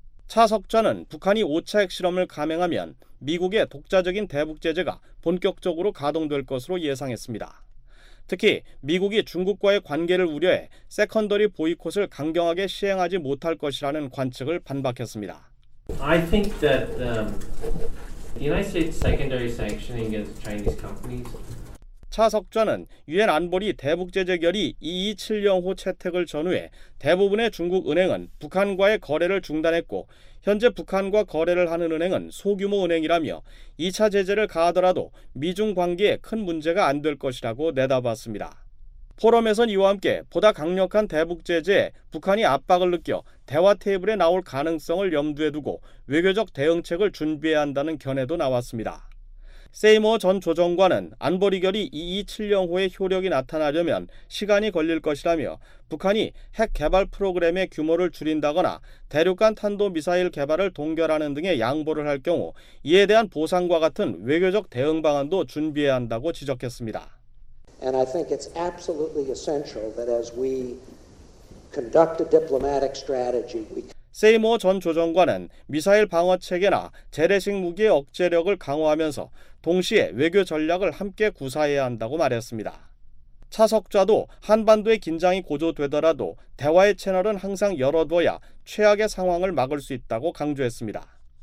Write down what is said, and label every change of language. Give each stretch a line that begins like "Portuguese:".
Korean: 차석좌는 북한이 5차 핵실험을 감행하면 미국의 독자적인 대북 제재가 본격적으로 가동될 것으로 예상했습니다. 특히 미국이 중국과의 관계를 우려해 세컨더리 보이콧을 강경하게 시행하지 못할 것이라는 관측을 반박했습니다.
English: I think that the United States secondary sanctioning against Chinese companies.
Korean: 차석좌는 유엔 안보리 대북 제재 결의 2270호 채택을 전후해 대부분의 중국 은행은 북한과의 거래를 중단했고 현재 북한과 거래를 하는 은행은 소규모 은행이라며 2차 제재를 가하더라도 미중 관계에 큰 문제가 안 될 것이라고 내다봤습니다. 포럼에선 이와 함께 보다 강력한 대북 제재에 북한이 압박을 느껴 대화 테이블에 나올 가능성을 염두에 두고 외교적 대응책을 준비해야 한다는 견해도 나왔습니다. 세이머 전 조정관은 안보리 결의 2270호의 효력이 나타나려면 시간이 걸릴 것이라며 북한이 핵 개발 프로그램의 규모를 줄인다거나 대륙간 탄도미사일 개발을 동결하는 등의 양보를 할 경우 이에 대한 보상과 같은 외교적 대응 방안도 준비해야 한다고 지적했습니다.
English: And I think it's absolutely essential that as we conduct a diplomatic strategy, we
Korean: 세이머 전 조정관은 미사일 방어 체계나 재래식 무기의 억제력을 강화하면서 동시에 외교 전략을 함께 구사해야 한다고 말했습니다. 차석좌도 한반도의 긴장이 고조되더라도 대화의 채널은 항상 열어둬야 최악의 상황을 막을 수 있다고 강조했습니다.